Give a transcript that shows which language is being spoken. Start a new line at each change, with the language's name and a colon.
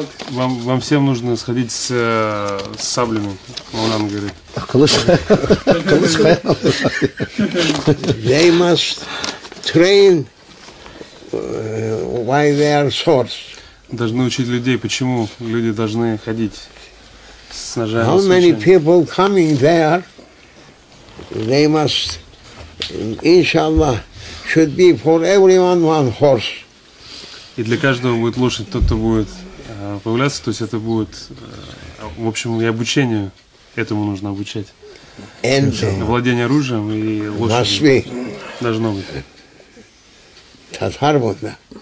Russian: Вам всем нужно сходить с саблями, Маулан говорит.
English: They must train. Why they are swords?
Russian: Должны учить людей, почему люди должны ходить с ножами.
English: How many people coming there? They must, inshallah, should be for everyone one horse.
Russian: И для каждого будет лошадь, тот, кто будет появляться, то есть это будет, в общем, и обучению этому нужно обучать.
English: And
Russian: владение оружием и лошадью должно быть. Татар вот, да.